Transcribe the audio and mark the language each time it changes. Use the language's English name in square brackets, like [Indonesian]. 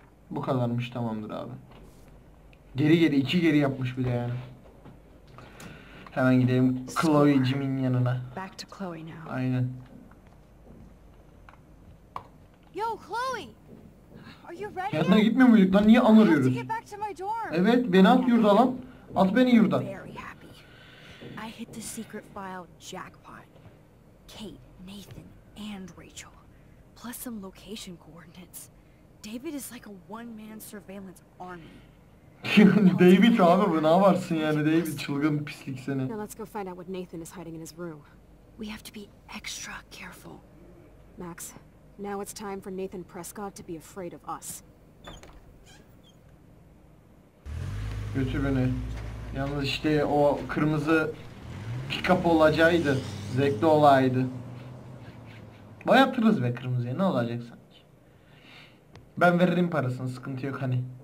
[Turkish] Bu kadarmış, tamamdır abi. Geri iki geri yapmış bile yani. Hemen gidelim Chloe Jim'in yanına. [English] Back to Chloe now. [Turkish] Aynen. [English] Yo Chloe. Are you ready? [Turkish] Yatına gitmiyor muyduk lan, niye anırıyoruz? Evet, beni at yurda lan. At beni yurda. [English] I hit the secret file jackpot. Kate, Nathan and Rachel. Plus some location coordinates. David is like a one man surveillance army. [Turkish] David abi, bu ne varsın yani David, çılgın pislik seni. [English] Now let's go find out what Nathan is hiding in his room. We have to be extra careful. Max, now it's time for Nathan Prescott to be afraid of us. [Turkish] Götür beni. Yalnız işte o kırmızı pick-up olacaktı. Zevkli olaydı. Bayatırız be kırmızıya, ne olacak sanki. Ben veririm parasını, sıkıntı yok hani.